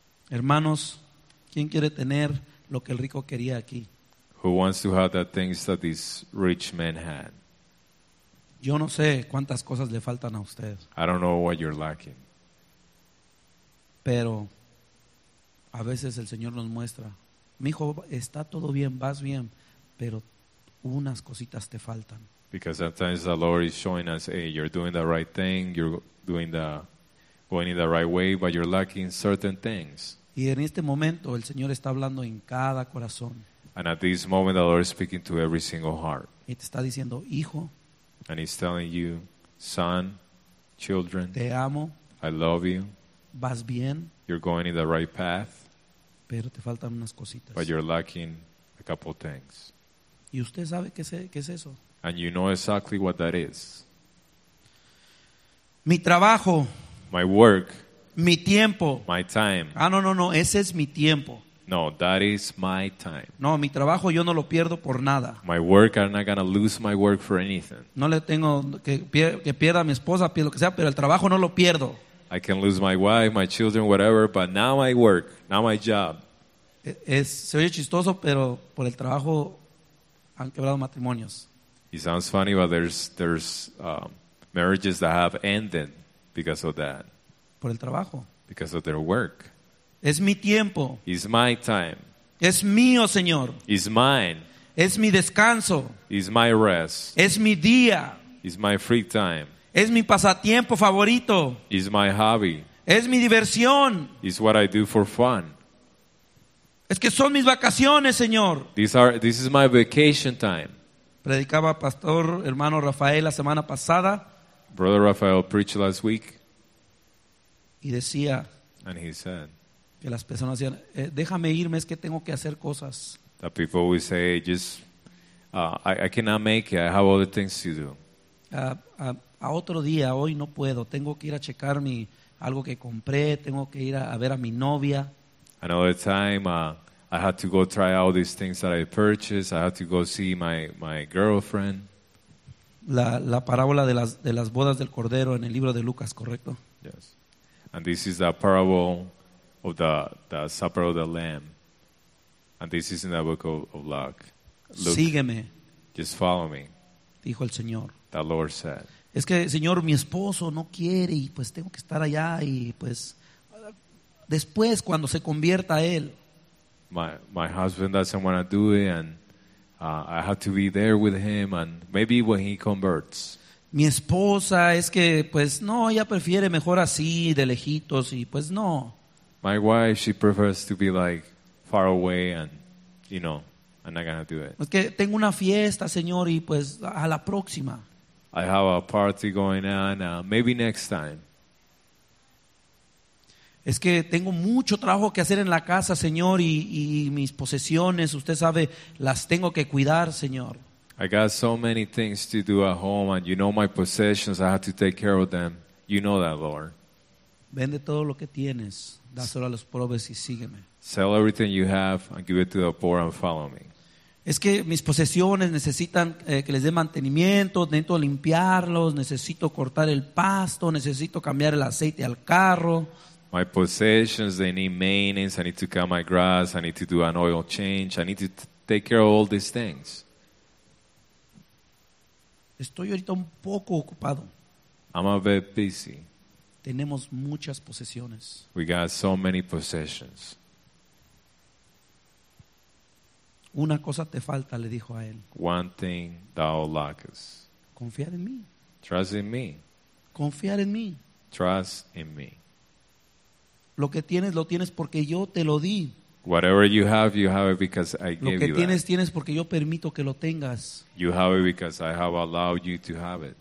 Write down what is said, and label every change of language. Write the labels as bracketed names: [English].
[Spanish] Hermanos, ¿quién quiere tener lo que el rico quería aquí? [English] Who wants to have the things that this rich man had? [Spanish] Yo no sé cuántas cosas le faltan a usted. [English] I don't know what you're lacking. [Spanish] Pero a veces el Señor nos muestra, mijo, está todo bien, vas bien, pero unas cositas te faltan. [English] Because sometimes the Lord is showing us, hey, you're doing the right thing, you're doing the going in the right way, but you're lacking certain things. [Spanish] Y en este momento el Señor está hablando en cada corazón. [English] And at this moment the Lord is speaking to every single heart. [Spanish] Y te está diciendo, hijo. [English] And he's telling you, son, children, [Spanish] te amo. [English] I love you. [Spanish] Vas bien. [English] You're going in the right path. [Spanish] Pero te faltan unas cositas. [English] But you're lacking a couple things. [Spanish] ¿Y usted sabe qué es eso? [English] And you know exactly what that is. [Spanish] Mi trabajo. [English] My work. [Spanish] Mi tiempo. [English] My time. [Spanish] Ah, no, ese es mi tiempo. [English] No, that is my time. [Spanish] No, mi trabajo yo no lo pierdo por nada. [English] My work, I'm not gonna lose my work for anything. [Spanish] No le tengo que pierda a mi esposa, lo que sea, pero el trabajo no lo pierdo. [English] I can lose my wife, my children, whatever, but now my work, now my job. [Spanish] Se oye chistoso, pero por el trabajo han quebrado matrimonios. [English] It sounds funny, but there's marriages that have ended because of that. [Spanish] Por el trabajo. [English] Because of their work. [Spanish] Es mi tiempo. [English] It's my time. [Spanish] Es mío, Señor. [English] It's mine. [Spanish] Es mi descanso. [English] It's my rest. [Spanish] Es mi día. [English] It's my free time. [Spanish] Es mi pasatiempo favorito. [English] It's my hobby. [Spanish] Es mi diversión. [English] It's what I do for fun. [Spanish] Es que son mis vacaciones, Señor. [English] This is my vacation time. [Spanish] Predicaba Pastor Hermano Rafael la semana pasada. [English] Brother Rafael preached last week. [Spanish] Y decía. [English] And he said. [Spanish] Que las personas decían, déjame irme, es que tengo que hacer cosas. [English] That people always say, I cannot make it, I have other things to do. [Spanish] A otro día, hoy no puedo, tengo que ir a checar mi algo que compré, tengo que ir a ver a mi novia. [English] Another time, I had to go try all these things that I purchased, I had to go see my girlfriend. [Spanish] La parábola de las bodas del Cordero en el libro de Lucas, ¿correcto? [English] Yes. And this is the parable of the supper of the Lamb. And this is in the book of Luke. [Spanish] Sígueme. [English] Just follow me. [Spanish] Dijo el Señor. [English] The Lord said. [Spanish] Es que, Señor, mi esposo no quiere y pues tengo que estar allá y pues después cuando se convierta a él. [English] My husband doesn't want to do it and I have to be there with him and maybe when he converts. [Spanish] Mi esposa es que pues no, ella prefiere mejor así de lejitos y pues no. [English] My wife, she prefers to be like far away and, you know, I'm not going to do it. [Spanish] Es que tengo una fiesta, Señor, y pues a la próxima. [English] I have a party going on, maybe next time. [Spanish] Es que tengo mucho trabajo que hacer en la casa, Señor, y mis posesiones, usted sabe, las tengo que cuidar, Señor. [English] I got so many things to do at home, and you know my possessions, I have to take care of them. You know that, Lord. [Spanish] Vende todo lo que tienes, dáselo a los pobres y sígueme. [English] Sell everything you have and give it to the poor and follow me. [Spanish] Es que mis posesiones necesitan que les dé mantenimiento, necesito limpiarlos, necesito cortar el pasto, necesito cambiar el aceite al carro. [English] My possessions, they need maintenance, I need to cut my grass, I need to do an oil change, I need to take care of all these things. [Spanish] Estoy ahorita un poco ocupado. [English] I'm a bit busy. [Spanish] Tenemos muchas posesiones. [English] We got so many possessions. [Spanish] Una cosa te falta, le dijo a él. [English] One thing thou lackest. [Spanish] Confiar en mí. [English] Trust in me. [Spanish] Confiar en mí. [English] Trust in me. [Spanish] Lo que tienes, lo tienes porque yo te lo di. [English] Whatever you have it because I gave you that. [Spanish] Lo que tienes, tienes porque yo permito que lo tengas. [English] You have it because I have allowed you to have it.